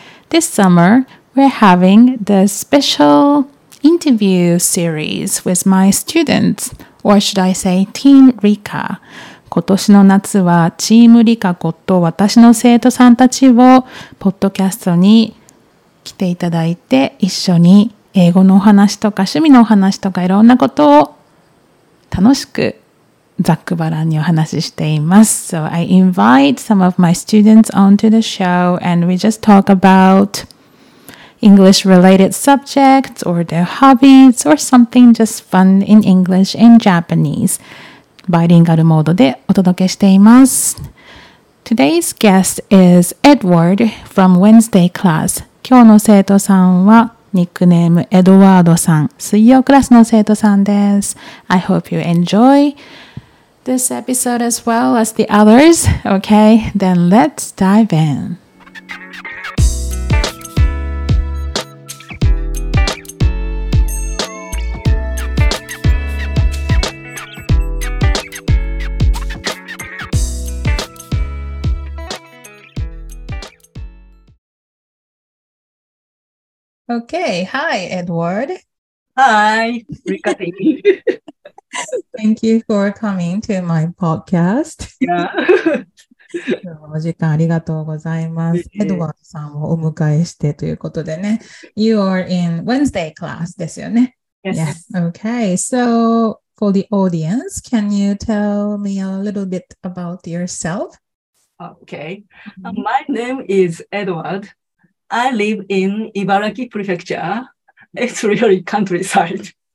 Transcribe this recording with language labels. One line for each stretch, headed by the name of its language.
English: This summer, we're having the special interview series with my students, or should I say Team Rika.
Japanese: 今年の夏はチームリカこと私の生徒さんたちをポッドキャストに来ていただいて一緒に英語のお話とか趣味のお話とかいろんなことを楽しくざっくばらんにお話ししています。
English: So I invite some of my students onto the show and we just talk about English related subjects or their hobbies or something just fun in English and Japanese.
Japanese: バイリンガルモードでお届けしています。
English: Today's guest is Edward from Wednesday class.
Japanese: 今日の生徒さんはニックネームエドワードさん、水曜クラスの生徒さんです。
English: I hope you enjoy this episode as well as the others. Okay, then let's dive in. Okay. Hi, Edward. Hi, Rika baby. Thank you for coming to my podcast. Yeah.
Japanese: 今日のお時間ありがとうございます。エドワードさんをお迎えしてということでね。
English: You are in Wednesday class
Japanese: ですよね。
English: Yes. Okay. So for the audience, can you tell me a little bit about yourself? Okay. My name is Edward. I live in Ibaraki Prefecture. It's really countryside.